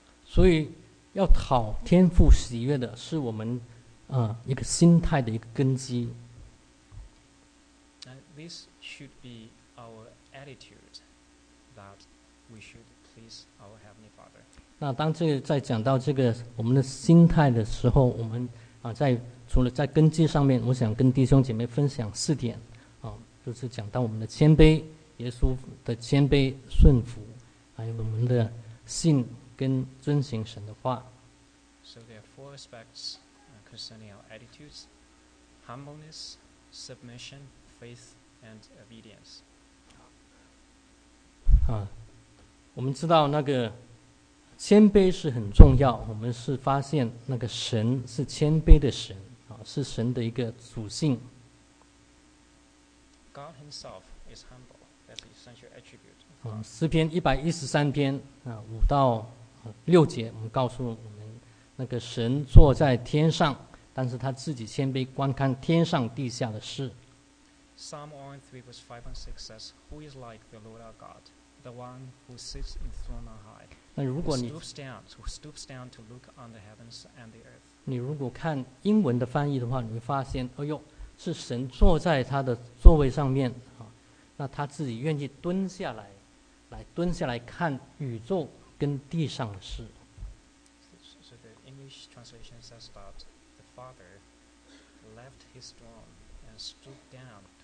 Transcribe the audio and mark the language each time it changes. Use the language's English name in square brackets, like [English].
[Chinese] 所以要讨天父喜悦的是我们一个心态的一个根基。 [English] This should be our attitude that we should please our heavenly Father. [Chinese] 那当这个在讲到这个我们的心态的时候，我们在除了在根基上面，我想跟弟兄姐妹分享四点就是讲到我们的谦卑，耶稣的谦卑顺服，还有我们的信跟遵行神的话。 [English] So there are four aspects concerning our attitudes: humbleness, submission, faith, and obedience. [Chinese] 我们知道那个谦卑是很重要，我们是发现那个神是谦卑的神是神的一个属性。 [English] God himself is humble. That's the essential attribute. [Chinese] 诗篇113篇5到6节，我们告诉我们那个神坐在天上，但是他自己谦卑观看天上地下的事。 [English] Psalm 103 verse 5 and 6 says, Who is like the Lord our God, the one who sits enthroned on high? [Chinese] 那如果你 [English] who stoops down to look on the heavens and the earth. [Chinese] 你如果看英文的翻译的话，你会发现，哎呦，是神坐在他的座位上面那他自己愿意蹲下来，来蹲下来看宇宙跟地上的事。 [English] So the English translation says that the Father left his throne and stooped down.